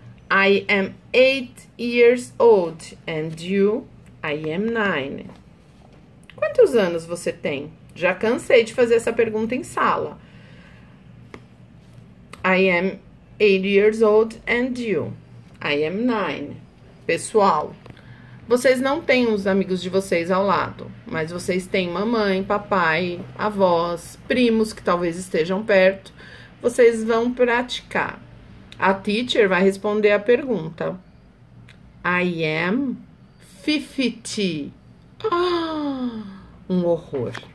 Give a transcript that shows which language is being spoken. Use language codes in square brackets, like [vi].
[en] I am 8 years old and you, I am 9. [pt] Quantos anos você tem? Já cansei de fazer essa pergunta em sala. [en] I am 8 years old and you, I am 9. [pt] Pessoal, vocês não têm os amigos de vocês ao lado, mas vocês têm mamãe, papai, avós, primos que talvez estejam perto. Vocês vão praticar. A teacher vai responder a pergunta. [en] I am 50. [pt] Ah, um horror.